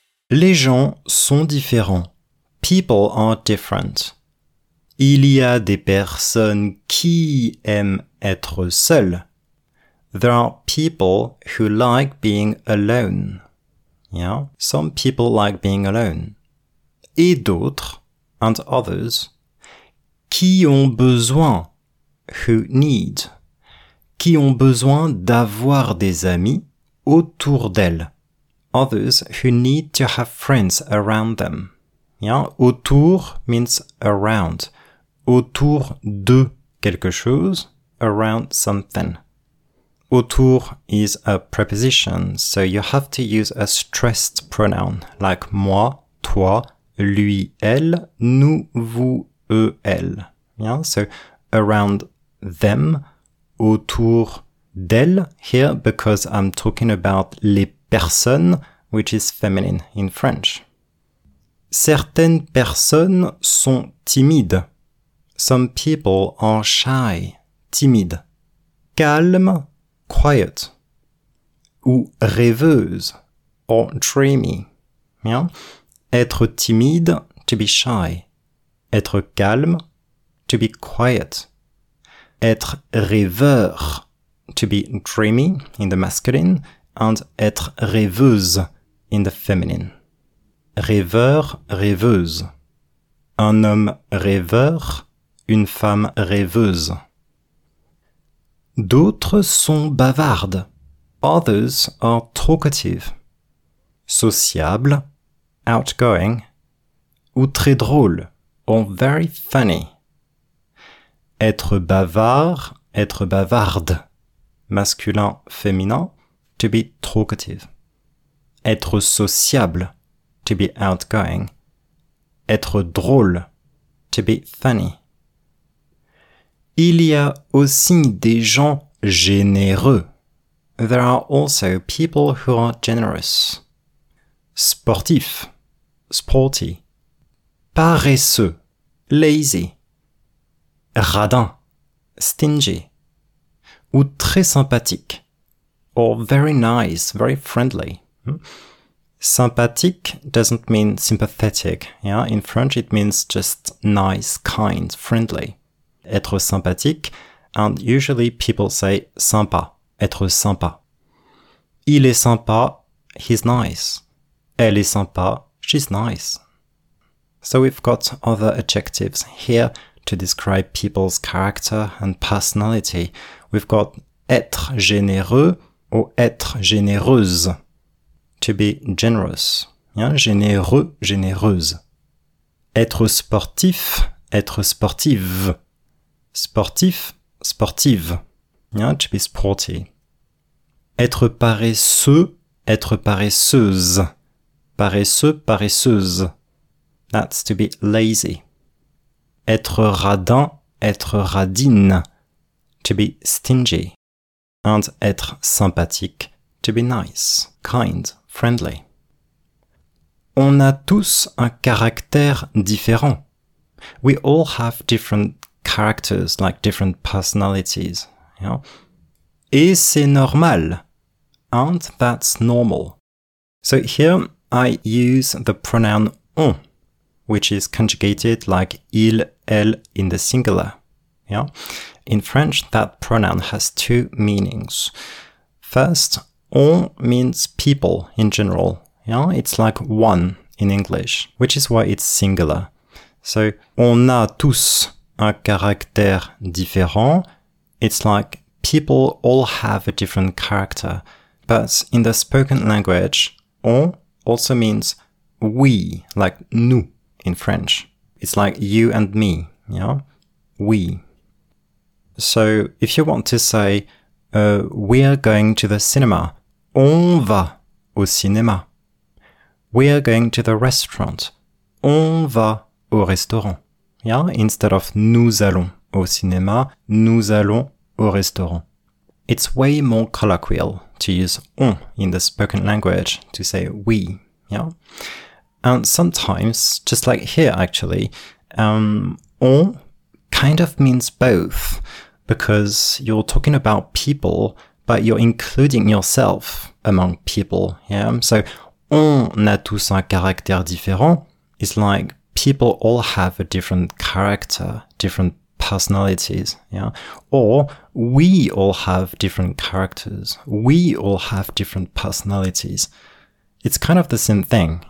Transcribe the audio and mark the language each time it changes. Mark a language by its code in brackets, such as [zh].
[fr] Les gens sont différents. [en] People are different. [fr] Il y a des personnes qui aiment être seules. [en] There are people who like being alone. Yeah, some people like being alone. [fr] Et d'autres, [en] and others, [fr] qui ont besoin, [en] who need, [fr] qui ont besoin d'avoir des amis autour d'elles. [en] Others who need to have friends around them. Yeah, autour means around. [fr] Autour de quelque chose, [en] around something. Autour is a preposition, so you have to use a stressed pronoun, like [fr] moi, toi, lui, elle, nous, vous, eux, elle. [en] Yeah? So around them, [fr] autour d'elle, [en] here because I'm talking about [fr] les personnes, [en] which is feminine in French. [fr] Certaines personnes sont timides. [en] Some people are shy, timide. Calme, quiet. [fr] Ou rêveuse, [en] or dreamy. Yeah? [fr] Être timide, [en] to be shy. [fr] Être calme, [en] to be quiet. [fr] Être rêveur, [en] to be dreamy in the masculine, and [fr] être rêveuse [en] in the feminine. [fr] Rêveur, rêveuse. Un homme rêveur, une femme rêveuse. D'autres sont bavardes. [en] Others are talkative. [fr] Sociable, outgoing. Ou très drôle, [en] or very funny. [fr] Être bavard, être bavarde. Masculin, féminin, [en] to be talkative. [fr] Être sociable, [en] to be outgoing. [fr] Être drôle, [en] to be funny. [fr] Il y a aussi des gens généreux. [en] There are also people who are generous. [fr] Sportif. [en] Sporty. [fr] Paresseux. [en] Lazy. [fr] Radin. [en] Stingy. [fr] Ou très sympathique. [en] Or very nice, very friendly. Sympathique doesn't mean sympathetic. Yeah? In French, it means just nice, kind, friendly. [fr] Être sympathique, [en] and usually people say sympa, [fr] être sympa. Il est sympa, [en] he's nice. [fr] Elle est sympa, [en] she's nice. So we've got other adjectives here to describe people's character and personality. We've got [fr] être généreux ou être généreuse. [en] To be generous. Yeah? [fr] Généreux, généreuse. Être sportif, être sportive. Sportif, sportive. Yeah? [en] To be sporty. [fr] Être paresseux, être paresseuse. Paresseux, paresseuse. [en] That's to be lazy. [fr] Être radin, être radine. [en] To be stingy. [fr] And être sympathique. [en] To be nice, kind, friendly. [fr] On a tous un caractère différent. [en] We all have different characters, like different personalities. You know? [fr] Et c'est normal. [en] And that's normal. So here I use the pronoun on, which is conjugated like il, elle in the singular. Yeah. In French, that pronoun has two meanings. First, on means people in general. Yeah. It's like one in English, which is why it's singular. [fr] So, on a tous un caractère différent. [en] It's like people all have a different character. But in the spoken language, on also means we, like nous in French. It's like you and me. Yeah. We. So, if you want to say, we're going to the cinema, [fr] on va au cinéma. [en] We're going to the restaurant, [fr] on va au restaurant. [en] Yeah, instead of [fr] nous allons au cinéma, nous allons au restaurant. [en] It's way more colloquial to use on in the spoken language to say we. Yeah, and sometimes, just like here actually, on kind of means both. Because you're talking about people, but you're including yourself among people. Yeah? [fr] So, on a tous un caractère différent. [en] It's like people all have a different character, different personalities. Yeah? Or we all have different characters. We all have different personalities. It's kind of the same thing.